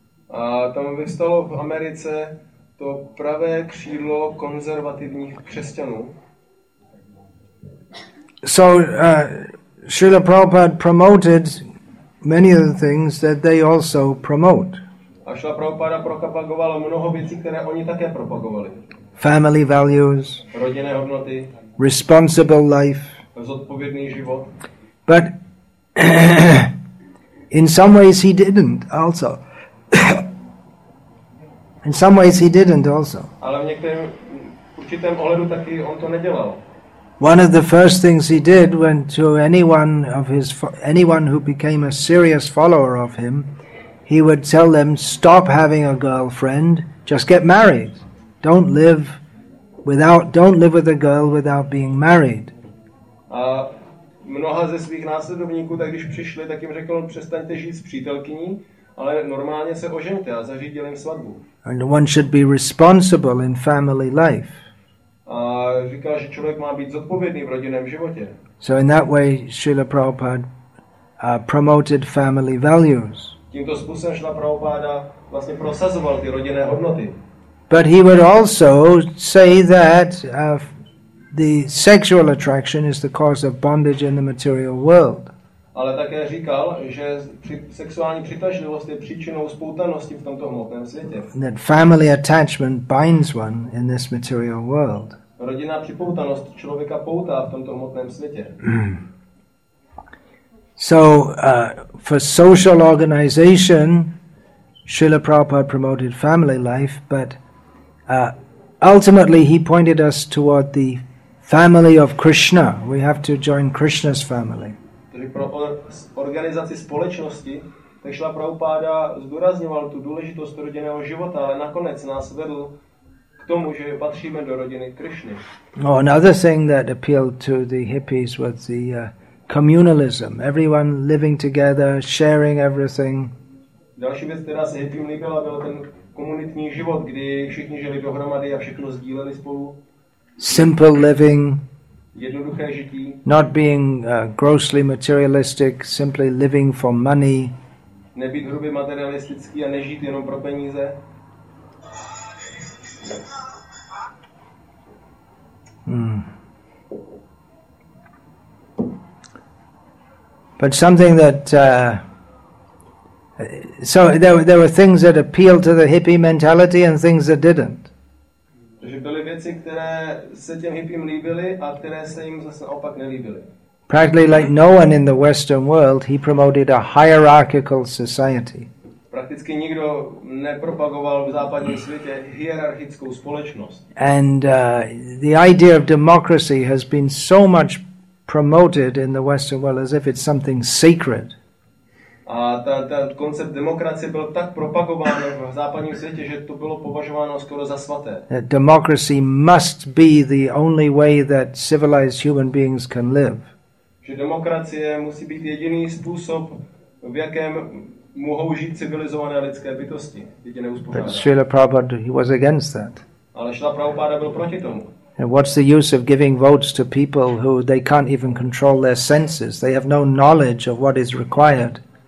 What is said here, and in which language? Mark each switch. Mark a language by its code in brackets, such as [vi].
[cs] A tam vystalo v Americe to pravé křídlo konzervativních křesťanů. [en] So Srila Prabhupada promoted many of the things that they also promote. [cs] A Srila Prabhupada propagovala mnoho věcí, které oni také propagovali. [en] Family values. [cs] Rodinné hodnoty. [en] Responsible life. [cs] Zodpovědný život. [en] But in some ways he didn't also. In some ways he didn't also. [cs] Ale v některém určitém ohledu taky on to nedělal. [en] One of the first things he did when to anyone who became a serious follower of him, he would tell them, stop having a girlfriend, just get married. Don't live with a girl without being married. [cs] A mnoha ze svých následovníků, tak když přišli, tak jim řekl, přestaňte žít s přítelkyní, ale normálně se oženěte a zařídil jim svatbu. [en] And one should be responsible in family life. [cs] A říkal, že člověk má být zodpovědný v rodinném životě. [en] So in that way, Srila Prabhupada promoted family values. [cs] Tímto způsobem Srila Prabhupada vlastně prosazoval ty rodinné hodnoty. [en] But he would also say that the sexual attraction is the cause of bondage in the material world. [cs] Ale také říkal, že sexuální přitažlivost je příčinou spoutanosti v tomto hmotném světě. [en] That family attachment binds one in this material world. [cs] Rodinná připoutanost člověka poutá v tomto hmotném světě. [en] So for social organization, Srila Prabhupada promoted family life, but ultimately he pointed us toward the family of Krishna. We have to join Krishna's family. [cs] Pro organizaci společnosti, tak Srila Prabhupada zdůrazňoval tu důležitost rodinného života, ale nakonec nás vedl k tomu, že patříme do rodiny Krishny. [en] Oh, another thing that appealed to the hippies was the communalism. Everyone living together, sharing everything. [cs] Další věc, která se hippie líbila, byl ten komunitní život, kdy všichni žili dohromady a všechno sdíleli spolu. [en] Simple living. [cs] Jednoduché žití. [en] Not being grossly materialistic, simply living for money. [cs] Nebýt hrubě materialistický a nežít jenom pro peníze. [en] But something that so there were things that appealed to the hippie mentality and things that didn't. [cs] Že byly věci, které se těm hippím líbily a které se jim zase opak nelíbily. [en] Practically like no one in the Western world, he promoted a hierarchical society. [cs] Prakticky nikdo nepropagoval v západním světě hierarchickou společnost. [en] And the idea of democracy has been so much promoted in the Western world as if it's something sacred. [cs] A ten koncept demokracie byl tak propagován v západním světě, že to bylo považováno skoro za svaté. [en] That democracy must be the only way that civilized human beings can live. [cs] Že demokracie musí být jediný způsob, v jakém mohou žít civilizované lidské bytosti. Jedině uspořádané. [en] But Srila Prabhupada, he was against that. [cs] Ale Srila Prabhupada byl proti tomu. [en] And what's the use of giving votes to people who they can't even control their senses? They have no knowledge of what is required.